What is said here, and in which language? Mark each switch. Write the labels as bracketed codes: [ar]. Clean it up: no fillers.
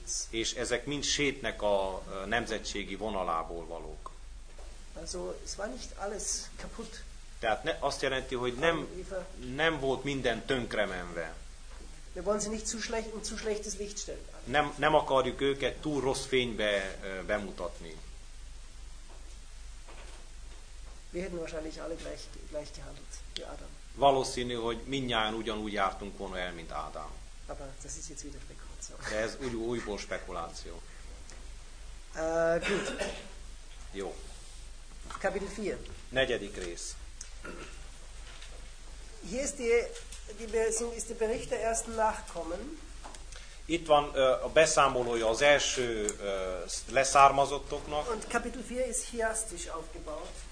[hu] És ezek mind Sétnek a nemzetségi vonalából valók. [de] Also, es war nicht alles kaputt. [hu] Tehát azt jelenti, hogy nem volt minden tönkremenve. [de] Wir wollen sie nicht zu schlechtes Licht stellen. [hu] Nem akarjuk őket túl rossz fénybe bemutatni. [de] Wir hätten wahrscheinlich alle gleich gehandelt, wie Adam. [hu] Valószínű, hogy mindnyáján ugyanúgy jártunk volna el, mint Ádám. [de] Aber das ist jetzt wieder Spekulation. [hu] De ez újból spekuláció. [de] Gut. [hu] Jó. [de] Kapitel 4. [hu] Negyedik rész. [de] Hier ist ist der Bericht der ersten Nachkommen. [hu] Itt van a beszámolója az első leszármazottoknak. [de] Und Kapitel 4 ist chiastisch aufgebaut.